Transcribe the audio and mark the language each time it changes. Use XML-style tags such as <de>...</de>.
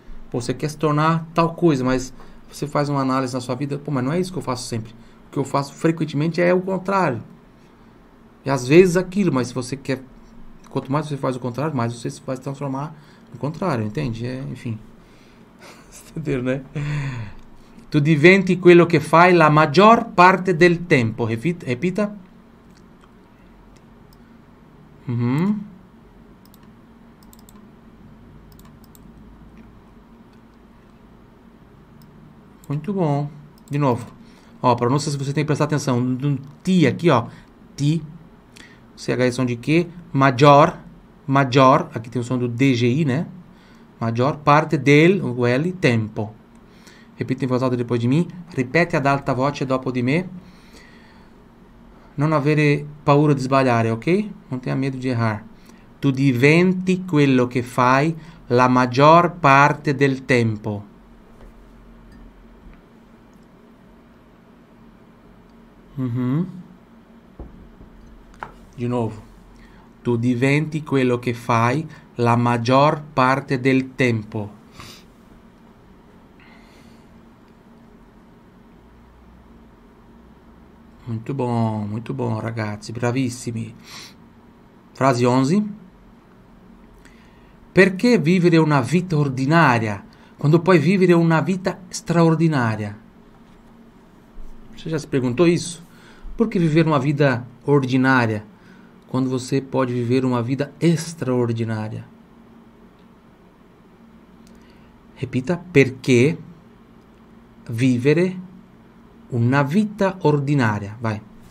<pt>Pô, você quer se tornar tal coisa, mas você faz uma análise na sua vida. Pô, mas não é isso que eu faço sempre. O que eu faço frequentemente é o contrário. E às vezes aquilo, mas se você quer... Quanto mais você faz o contrário, mais você vai se transformar no contrário, entende? É, enfim. Entendeu, né?</pt> <it>Tu diventi quello che fai la maggior parte del tempo.</it> <pt>Repita. Uhum. Muito bom. De novo. Ó, pronúncia, se você tem que prestar atenção. No ti aqui, ó. Ti. CH é som de Q. Major. Major. Aqui tem o som do DGI, né? Major. Parte del. O L. Tempo. Repita em voz alta depois de mim.</pt> <it>Repete ad alta voce dopo di me. Non avere paura di sbagliare, ok? Non</it> <pt>tenha medo</pt> <it>di errar. Tu diventi quello che fai la maggior parte del tempo. Uh-huh. Di nuovo. Tu diventi quello che fai la maggior parte del tempo.</it> <pt>Muito bom,</pt> <it>ragazzi, bravissimi.</it> <pt>Frase 11.</pt> <it>Perché vivere una vita ordinaria quando puoi vivere una vita straordinaria?</it> <pt>Você já se perguntou isso? Por que viver uma vida ordinária quando você pode viver uma vida extraordinária? Repita,</pt> <it>perché vivere una vita ordinaria?</it> <pt>Vai.</pt>